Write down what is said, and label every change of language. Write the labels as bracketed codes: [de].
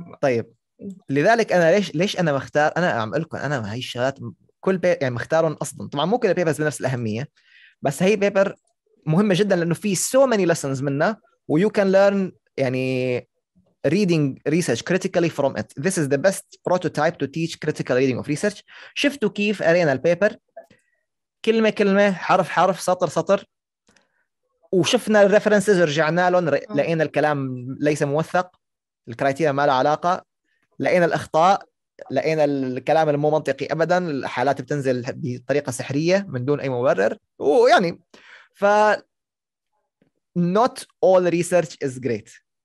[ar] طيب لذلك أنا ليش أنا مختار أنا عم أقولكم أنا هاي الشغلات كل يعني مختارهم أصلاً طبعاً مو كل papers بنفس الأهمية بس هاي paper مهمة جداً لأنه في [en] so many lessons [ar] منها و [en] you can learn [ar] يعني [en] reading research critically from it. This is the best prototype to teach critical reading of research. [ar] شفتوا كيف قرينا البيبر كلمة كلمة حرف حرف سطر سطر وشفنا الريفرنسز رجعنا لهم لقينا الكلام ليس موثق الكرايتيريا ما له علاقة لقينا الأخطاء لقينا الكلام المو منطقي أبدا الحالات بتنزل بطريقة سحرية من دون أي مبرر ويعني ف [en] not all research is great.